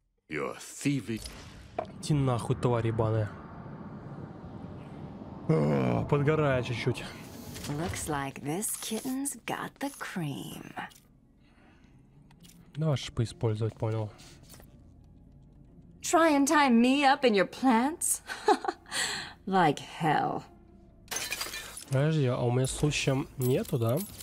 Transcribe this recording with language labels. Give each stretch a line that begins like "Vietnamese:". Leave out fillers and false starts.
English: You're thieving.
Russian: Иди нахуй, тварь ебаная. Подгорая чуть-чуть.
English: Looks like this kitten's got the cream.
Russian: Давай шипы использовать, понял.
English: Try and tie me up in your plants? Like hell.
Russian: Подожди, а у меня случаем нету, да?